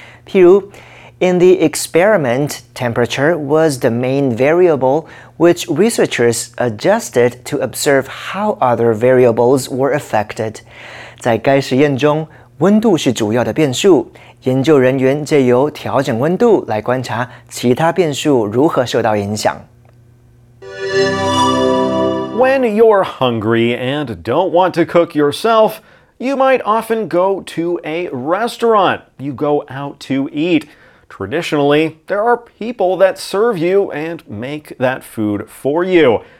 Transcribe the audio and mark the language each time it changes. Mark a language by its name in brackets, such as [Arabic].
[Chinese] 譬如 [English] In the experiment, temperature was the main variable, which researchers adjusted to observe how other variables were affected. [Chinese] 在该实验中，温度是主要的变数，研究人员借由调整温度来观察其他变数如何受到影响。 [English] When you're hungry and don't want to cook yourself, you might often go to a restaurant. You go out to eat. Traditionally, there are people that serve you and make that food for you.